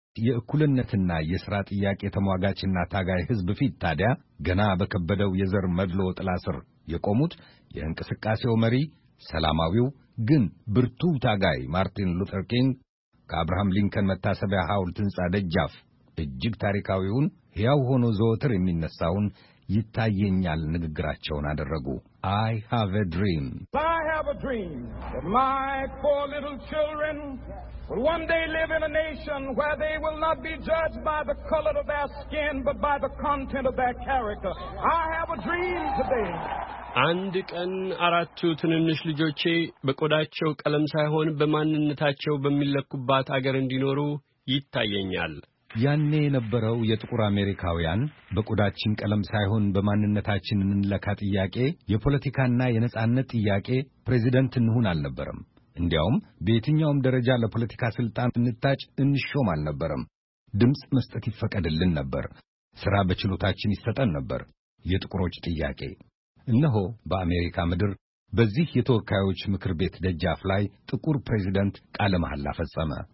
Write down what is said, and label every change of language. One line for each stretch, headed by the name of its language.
Amharic: የእኩልነትና የሥራ ጥያቄ ተሟጋችና ታጋይ ሕዝብ ፊት ታዲያ ገና በከበደው የዘር መድሎ ጥላ ስር የቆሙት የእንቅስቃሴው መሪ ሰላማዊው ግን ብርቱ ታጋይ ማርቲን ሉተር ኪንግ ከአብርሃም ሊንከን መታሰቢያ ሐውልት ሕንጻ ደጃፍ እጅግ ታሪካዊውን ሕያው ሆኖ ዘወትር የሚነሳውን ይታየኛል ንግግራቸውን አደረጉ።
English: I have a dream. I have a dream that my four little children will one day live in a nation where they will not be judged by the color of their skin but by the content of their character. I have a dream today.
Amharic: አንድ ቀን አራቱ ትንንሽ ልጆቼ በቆዳቸው ቀለም ሳይሆን በማንነታቸው በሚለኩባት አገር እንዲኖሩ ይታየኛል። ያኔ የነበረው የጥቁር አሜሪካውያን በቆዳችን ቀለም ሳይሆን በማንነታችን እንለካ ጥያቄ የፖለቲካና የነጻነት ጥያቄ ፕሬዝዳንት እንሁን አልነበረም። እንዲያውም በየትኛውም ደረጃ ለፖለቲካ ስልጣን እንታጭ እንሾም አልነበረም። ድምጽ መስጠት ይፈቀድልን ነበር። ሥራ በችሎታችን ይሰጠን ነበር። የጥቁሮች ጥያቄ እነሆ በአሜሪካ ምድር በዚህ የተወካዮች ምክር ቤት ደጃፍ ላይ ጥቁር ፕሬዝዳንት ቃለ መሐላ ፈጸመ።